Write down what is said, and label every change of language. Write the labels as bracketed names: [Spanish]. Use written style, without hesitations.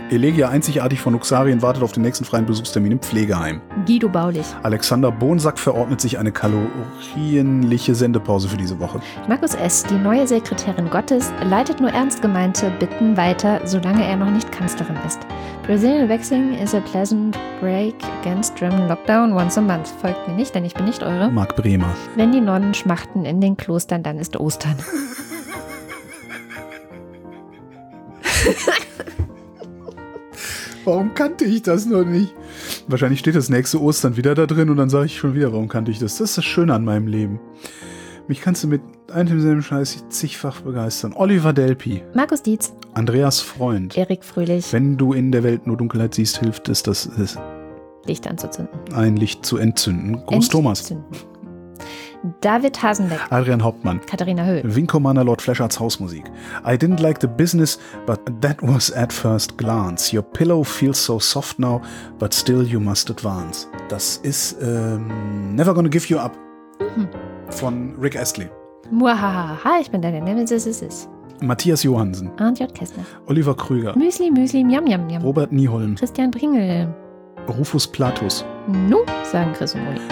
[German] Elegia, einzigartig von Uxarien, wartet auf den nächsten freien Besuchstermin im Pflegeheim. Guido Baulich. Alexander Bonsack verordnet sich eine kalorienliche Sendepause für diese Woche. Markus S., die neue Sekretärin Gottes, leitet nur ernst gemeinte Bitten weiter, solange er noch nicht Kanzlerin ist. [English] Brazilian Waxing is a pleasant break against German Lockdown once a month. [German] Folgt mir nicht, denn ich bin nicht eure. Marc Bremer. Wenn die Nonnen schmachten in den Klostern, dann ist Ostern. Warum kannte ich das noch nicht? Wahrscheinlich steht das nächste Ostern wieder da drin und dann sage ich schon wieder, warum kannte ich das? Das ist das Schöne an meinem Leben. Mich kannst du mit einem demselben Scheiß zigfach begeistern. Oliver Delpi. Markus Dietz. Andreas Freund. Erik Fröhlich. Wenn du in der Welt nur Dunkelheit siehst, hilft es, das ist Licht anzuzünden. Ein Licht zu entzünden. Gruß Thomas. David Hasenbeck. Adrian Hauptmann. Katharina Höhl. Wing Commander Lord Fleschards Hausmusik. [English] I didn't like the business, but that was at first glance. Your pillow feels so soft now, but still you must advance. [German] Das ist Never Gonna Give You Up von Rick Astley. Muahaha, hi, ich bin deine Nemesis. Matthias Johansen. Arndt J. Kessler. Oliver Krüger. Müsli, Müsli, Miam, Miam, Miam. Robert Nieholm. Christian Pringel. Rufus Platus. Nu, sagen Chris und Moni.